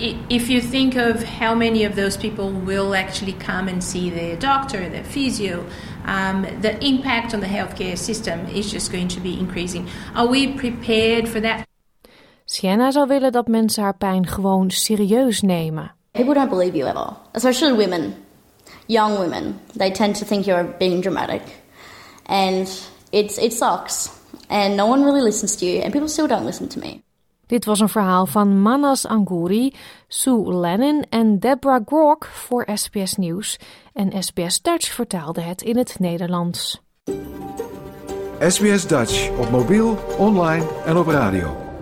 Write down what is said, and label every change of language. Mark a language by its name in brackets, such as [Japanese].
[English] If you think of how many of those people will actually come and see their doctor, their physio, the impact on the healthcare system is just going to be increasing. Are we prepared for that? [Dutch] Sienna zou willen dat mensen haar pijn gewoon serieus nemen. [English] People don't believe you at all, especially women, young women. They tend to think you're being dramatic, and it sucks. And no one really listens to you, and people still don't listen to me. [Dutch] Dit was een verhaal van Manas Anguri, Sue Lennon en Deborah Grok voor SBS Nieuws. En SBS Dutch vertaalde het in het Nederlands. SBS Dutch op mobiel, online en op radio.